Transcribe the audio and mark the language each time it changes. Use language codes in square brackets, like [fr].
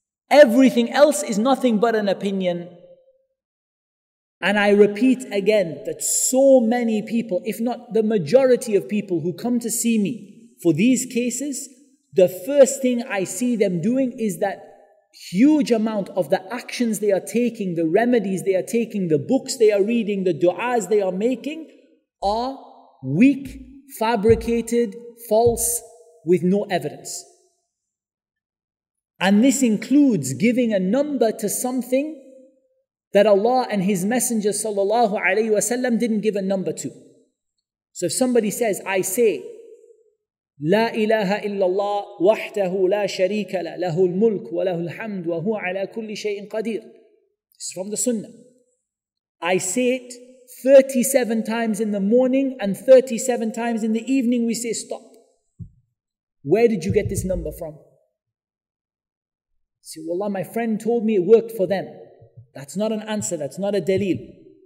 [en] Everything else is nothing but an opinion. And I repeat again that so many people, if not the majority of people who come to see me for these cases, the first thing I see them doing is that huge amount of the actions they are taking, the remedies they are taking, the books they are reading, the du'as they are making, are weak, fabricated, false, with no evidence. And this includes giving a number to something that Allah and His Messenger sallallahu alayhi wa sallam didn't give a number to. So if somebody says, I say, [ar] لا إله إلا الله وحده لا شريك له له الملك وله الحمد وهو على كل شيء قدير. [en] It's from the sunnah. I say it 37 times in the morning and 37 times in the evening. We say stop. Where did you get this number from? Say, wallah, my friend told me it worked for them. That's not an answer, that's not a dalil.